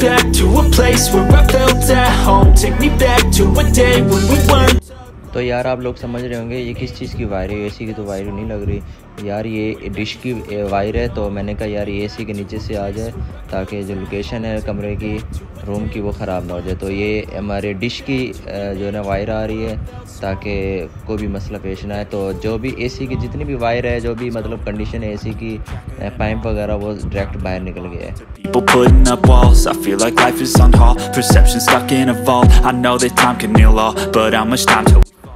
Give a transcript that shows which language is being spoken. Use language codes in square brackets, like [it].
[en] back to a place where I felt at home. Take me back to a day when we weren't. [hi] तो यार आप लोग समझ रहे होंगे ये किस चीज़ की वायर है, एसी की तो वायर नहीं लग रही यार, ये डिश की वायर है। तो मैंने कहा यार ये एसी के नीचे से आ जाए ताकि जो लोकेशन है कमरे की रूम की वो ख़राब ना हो जाए। तो ये हमारे डिश की जो है ना वायर आ रही है ताकि कोई भी मसला पेश ना आए। तो जो भी एसी की जितनी भी वायर है, जो भी मतलब कंडीशन है एसी की, पाइप वगैरह, वो डायरेक्ट बाहर निकल गया है। [en] People putting up walls, I feel like life is on hold. Perception stuck in a vault. I know that time can heal all, but how much time to...